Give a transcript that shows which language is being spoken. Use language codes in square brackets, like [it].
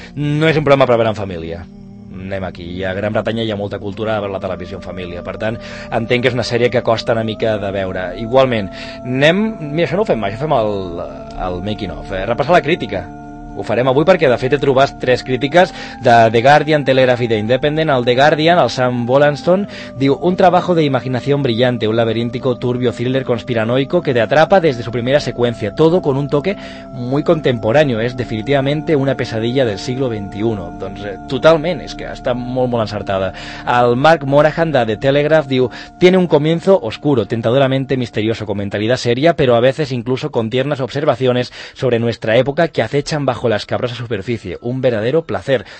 [ca] No és un problema per veure en família. Anem aquí, i a Gran Bretanya hi ha molta cultura de veure la televisió en família, per tant entenc que és una sèrie que costa una mica de veure. Igualment, anem, mira, això no ho fem mai, això fem el making of, repassar la crítica. Ho farem avui perquè de fet he trobat 3 crítiques de The Guardian, Telegraph i The Independent. El The Guardian, el Sam Wollaston, diu: [es] un trabajo de imaginación brillante, un laberíntico turbio thriller conspiranoico que te atrapa desde su primera secuencia, todo con un toque muy contemporáneo, es definitivamente una pesadilla del siglo XXI. [ca] Doncs totalment, és que està molt molt encertada. El Mark Morahan de The Telegraph diu: [es] tiene un comienzo oscuro, tentadoramente misterioso, con mentalidad seria, pero a veces incluso con tiernas observaciones sobre nuestra época que acechan bajo la escabrosa superficie, un verdadero placer.